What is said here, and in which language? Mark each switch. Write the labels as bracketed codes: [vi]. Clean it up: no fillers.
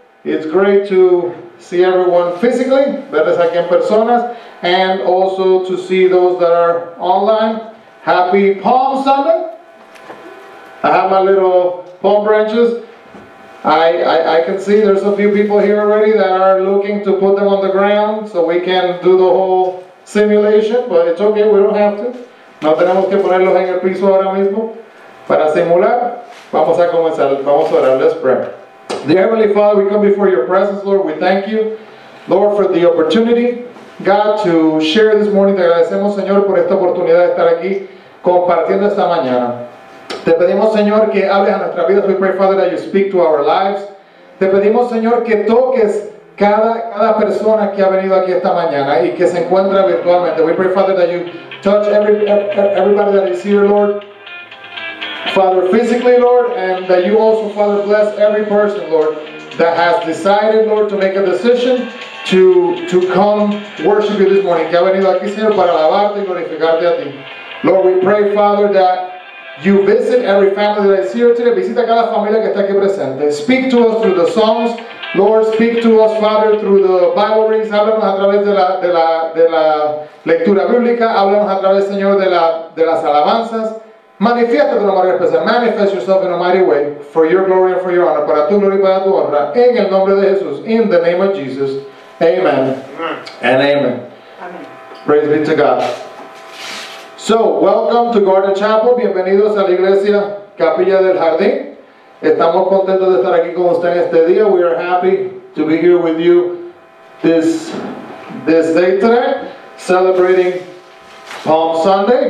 [en] It's great to see everyone physically, [es] verles aquí en personas, [en] and also to see those that are online. Happy Palm Sunday. I have my little palm branches. I can see there's a few people here already that are looking to put them on the ground so we can do the whole simulation, but it's okay, we don't have to. [es] No tenemos que ponerlos en el piso ahora mismo. Para simular, vamos a comenzar, vamos a orar, [en] let's pray. Dear Heavenly Father, we come before your presence, Lord, we thank you, Lord, for the opportunity, God, to share this morning. [es] Te agradecemos, Señor, por esta oportunidad de estar aquí compartiendo esta mañana. Te pedimos, Señor, que hables a nuestras vidas. [en] We pray, Father, that you speak to our lives. [es] Te pedimos, Señor, que toques cada persona que ha venido aquí esta mañana y que se encuentra virtualmente. [en] We pray, Father, that you touch everybody that is here, Lord. Father, physically, Lord, and that you also, Father, bless every person, Lord, that has decided, Lord, to make a decision to come worship you this morning. [es] Que ha venido aquí, Señor, para alabarte y glorificarte a ti. [en] Lord, we pray, Father, that you visit every family that is here today. [es] Visita cada familia que está aquí presente. [en] Speak to us through the songs. Lord, speak to us, Father, through the Bible readings. [es] Háblanos a través de la lectura bíblica. Háblanos a través, Señor, de las alabanzas. Manifiesta de una manera especial. [en] Manifest yourself in a mighty way for your glory and for your honor. [es] Para tu gloria y para tu honra. En el nombre de Jesús. [en] In the name of Jesus. [es] Amen. Amen. And amen. Amen. [en] Praise be to God. So, welcome to Garden Chapel. [es] Bienvenidos a la iglesia Capilla del Jardín. Estamos contentos de estar aquí con usted este día. [en] We are happy to be here with you this day today, celebrating Palm Sunday.